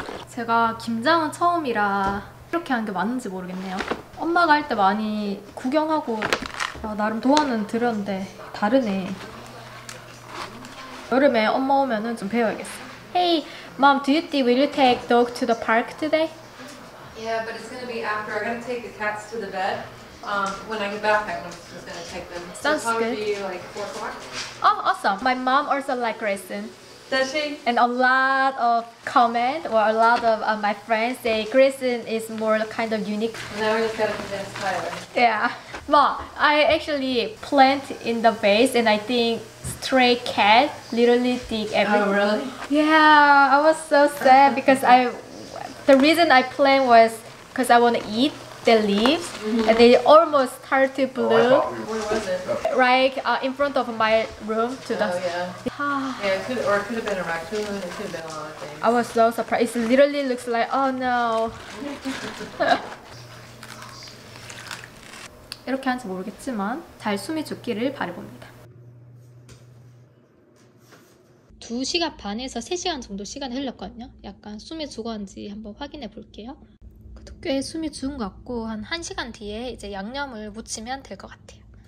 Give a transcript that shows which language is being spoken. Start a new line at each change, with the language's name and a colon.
Korean: 제가 김장은 처음이라 이렇게 한 게 맞는지 모르겠네요. 엄마가 할 때 많이 구경하고 나름 도와는 드렸는데 다르네. 여름에 엄마 오면은 좀 배워야겠어.
English: Hey, mom, do you think will you take dog to the park today? Yeah, but it's gonna be after. I'm gonna take the cats to the vet. When I get back, I'm just gonna take them. Sounds good. It'll probably be like 4 o'clock. Oh, awesome. My mom also like Grayson. Does she? And a lot of comment or a lot of my friends say Grayson is more kind of unique. Well, now we're just gonna convince Tyler. Yeah. Well, I actually plant in the vase and I think stray cat literally dig everything. Oh, really? Yeah, I was so sad because the reason I plant was because I want to eat the leaves and they almost start to bloom. Oh, where was it? Right in front of my room to Oh, the... Oh, yeah. Yeah, it could have been a raccoon. It could have been a lot of things. I was so surprised. It literally looks like, oh no.
Korean: 이렇게 하는지 모르겠지만 잘 숨이 죽기를 바라봅니다. 2시간 반에서 3시간 정도 시간이 흘렀거든요. 약간 숨이 죽었는지 한번 확인해 볼게요. 꽤 숨이 죽은 것 같고 한 1시간 뒤에 이제 양념을 무치면 될 것 같아요.